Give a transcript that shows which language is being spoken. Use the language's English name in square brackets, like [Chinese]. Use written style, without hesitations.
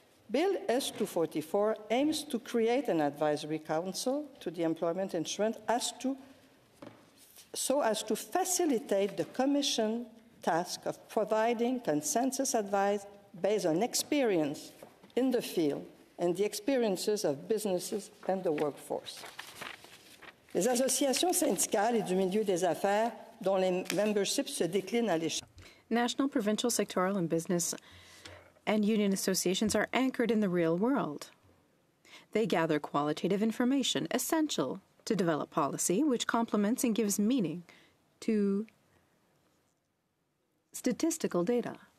[English] Bill S-244 aims to create an advisory council to the employment insurance so as to facilitate the Commission task of providing consensus advice based on experience in the field and the experiences of businesses and the workforce. [French] Les associations syndicales et du milieu des affaires dont les memberships se déclinent à l'échelle. [English] National, provincial, sectoral, and business and union associations are anchored in the real world. They gather qualitative information essential to develop policy, which complements and gives meaning to statistical data.